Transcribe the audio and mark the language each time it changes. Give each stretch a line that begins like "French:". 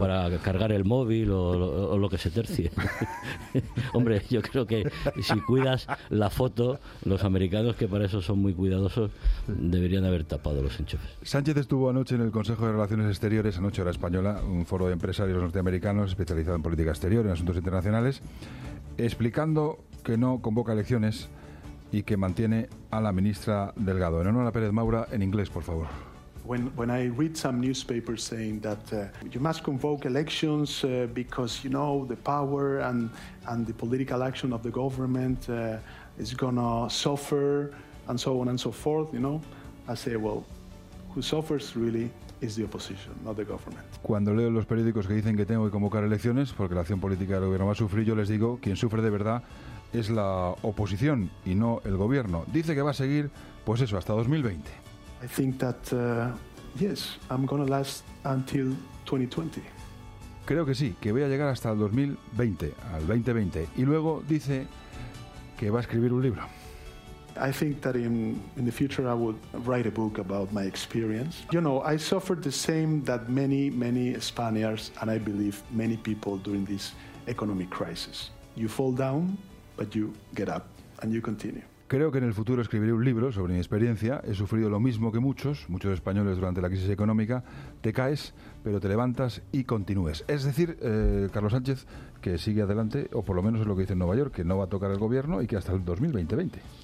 Spanish: O para cargar el móvil o lo que se tercie. Hombre, yo creo que si cuidas la foto, los americanos, que para eso son muy cuidadosos, deberían haber tapado los enchufes. Sánchez estuvo anoche en el Consejo de Relaciones Exteriores, anoche hora española, un foro de empresarios norteamericanos especializado en política exterior, en asuntos internacionales, explicando que no convoca elecciones y que mantiene a la ministra Delgado. Enhorabuena, Pérez Maura, en inglés, por favor.
English: When I read some newspapers saying that you must convoke elections because, you know, the power and the political action of the government is gonna suffer and so on and so forth, you know, I say, well, who suffers really is the opposition, not the government.
Spanish: Cuando leo los periódicos que dicen que tengo que convocar elecciones porque la acción política del gobierno va a sufrir, yo les digo, quien sufre de verdad es la oposición y no el gobierno. Dice que va a seguir, pues eso, hasta 2020.
English: I think that yes, I'm gonna last until 2020.
Spanish: Creo que sí, que voy a llegar hasta el 2020, al 2020, y luego dice que va a escribir un libro.
English: I think that in the future I would write a book about my experience. You know, I suffered the same that many, many Spaniards, and I believe many people during this economic crisis. You fall down, but you get up and you continue.
Spanish: Creo que en el futuro escribiré un libro sobre mi experiencia. He sufrido lo mismo que muchos españoles durante la crisis económica. Te caes, pero te levantas y continúes. Es decir, Carlos Sánchez, que sigue adelante, o por lo menos es lo que dice en Nueva York, que no va a tocar el gobierno y que hasta el 2020.